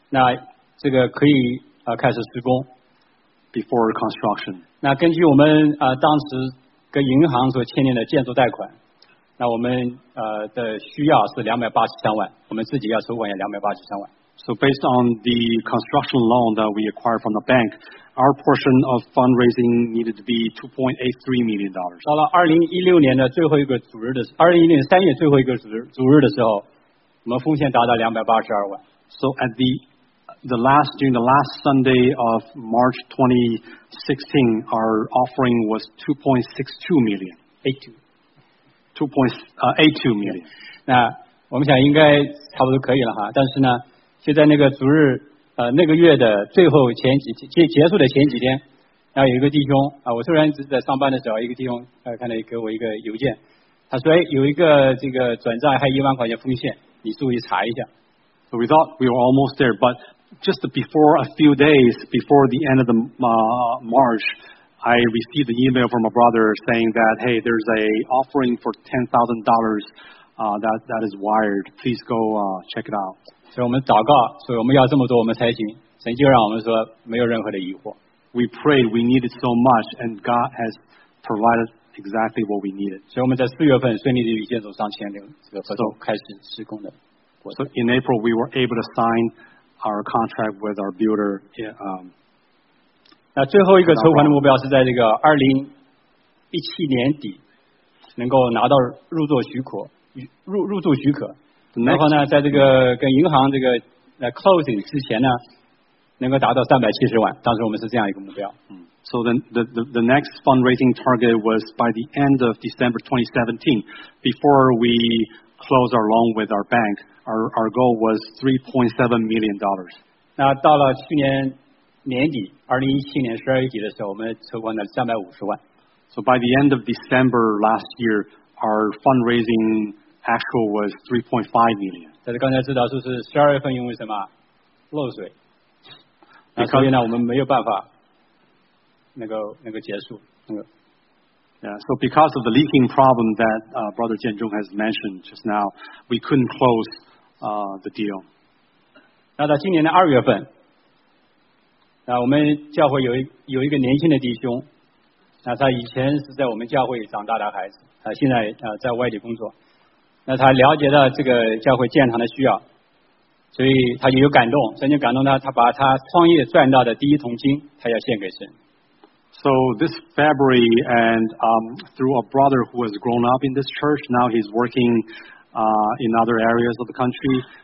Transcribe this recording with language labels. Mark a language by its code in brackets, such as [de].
[zh] 那这个可以开始施工 [en] before construction. [zh] 那根据我们当时跟银行所签订的建筑贷款，那我们的需要是283万，我们自己要筹款也283万。 [en] So based on the construction loan that we acquired from the bank, our portion of fundraising needed to be $2.83 million. [zh] 到了2016年的最后一个主日的2016年3月最后一个主日的时候，我们奉献达到282万。 [en] So at the last Sunday of March 2016, our offering was $2.82 million. [zh] 那我们想应该差不多可以了哈，但是呢。就在那个主日那个月的最后前几天结束的前几天，然后有一个弟兄我突然在上班的时候，一个弟兄看到给我一个邮件，他说有一个这个转账还有10000块钱风险，你注意查一下。 [en] So we thought we were almost there, but just before a few days before the end of the March, I received an email from a brother saying that hey, there's a offering for $10,000 that is wired, please go check it out. [zh] 所以我们祷告，所以我们要这么做，我们才行。神就让我们说没有任何的疑惑。 [en] We prayed, we needed so much, and God has provided exactly what we needed. [zh] 所以我们在4月份顺利的与建筑商签订这个合同，开始施工的。 [en] So in April, we were able to sign our contract with our builder. Yeah. [zh] 那最后一个筹款的目标是在这个2017年底能够拿到入住许可。然后呢，在这个跟银行这个closing 之前呢，能够达到370万，当时我们是这样一个目标。 [en] So the next fundraising target was by the end of December 2017, before we close our loan with our bank. Our goal was $3.7 million. [zh] 那到了去年年底，2017年12月底的时候，我们筹款了350万。 [en] So by the end of December last year, our fundraising actual was $3.5 million. [zh] 但是刚才知道说是12月份因为什么漏水，那所以呢我们没有办法那个结束那个。 [en] Yeah, so because of the leaking problem that Brother Jian Zhong has mentioned just now, we couldn't close the deal. [zh] 那到今年的2月份，那我们教会有一个年轻的弟兄，那他以前是在我们教会长大的孩子，他现在在外地工作。那他了解到这个教会建堂的需要，所以他就有感动，神就感动他，他把他创业赚到的第一桶金，他要献给神。 [en] So this February, and through a brother who has grown up in this church, now he's working in other areas of the country.